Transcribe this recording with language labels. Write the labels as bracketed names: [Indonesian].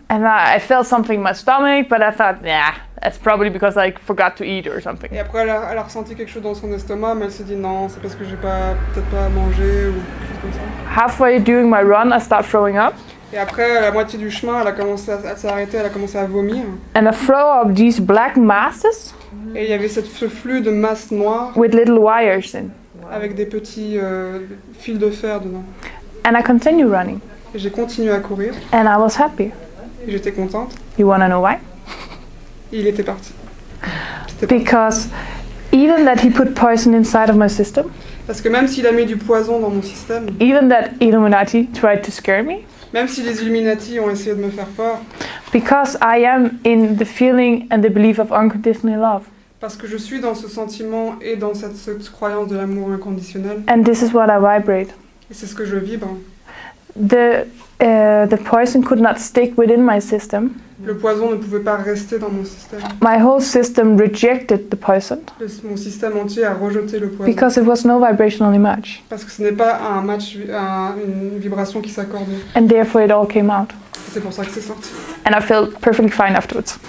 [English] And I felt something in my stomach, but I thought, yeah. That's probably because I forgot to eat or something. [French] Et après, elle a ressenti quelque chose dans son estomac, mais elle s'est dit non, c'est parce que j'ai pas peut-être pas mangé ou quelque chose comme ça. [English] Halfway doing my run, I start throwing up. [French] Et après, à la moitié du chemin, elle a commencé à s'arrêter, elle a commencé à vomir. [English] And I throw up these black masses. [French] Et il y avait ce flux de masse noire. [English] With little wires in. [French] Avec des petits fils de fer dedans. [English] And I continue running. [French] Et j'ai continué à courir. [English] And I was happy. [French] Et j'étais contente. [English] You wanna know why? [French] Il était parti. [English] Because even that he put poison inside of my system. [French] Parce que même s'il a mis du poison dans mon système. [English] Even that Illuminati tried to scare me. [French] Même si les Illuminati ont essayé de me faire peur. [English] Because I am in the feeling and the belief of unconditional love. [French] Parce que je suis dans ce sentiment et dans cette croyance de l'amour inconditionnel. [English] And this is what I vibrate. [French] Et c'est ce que je vibre. [English] The poison could not stick within my system. [French] Le poison ne pouvait pas rester dans mon système. [English] My whole system rejected the poison. [French] Mon système entier a rejeté le poison. [English] Because it was no vibrational match. [French] Parce que ce n'est pas un match, une vibration qui s'accordait. [English] And therefore it all came out. [French] C'est pour ça que c'est sorti. [English] And I felt perfectly fine afterwards.